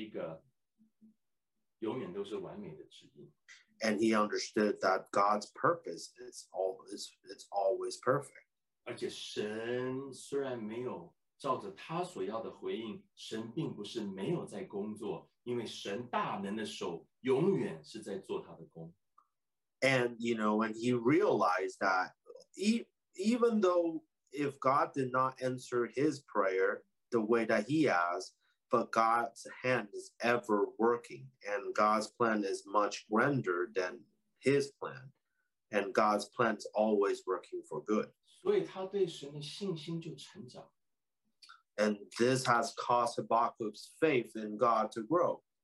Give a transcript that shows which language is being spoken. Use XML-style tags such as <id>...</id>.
<zh>神的旨意是一个永远都是完美的旨意,</zh> <en>and he understood that God's purpose is always perfect.</en> <zh>照着他所要的回应，神并不是没有在工作，因为神大能的手永远是在做他的工。</zh> <en>And you know, and he realized that even though if God did not answer his prayer the way that he asked, but God's hand is ever working, and God's plan is much grander than his plan, and God's plan is always working for good.</en> <zh>所以他对神的信心就成长。</zh> <en>And this has caused Habakkuk's faith in God to grow.</en>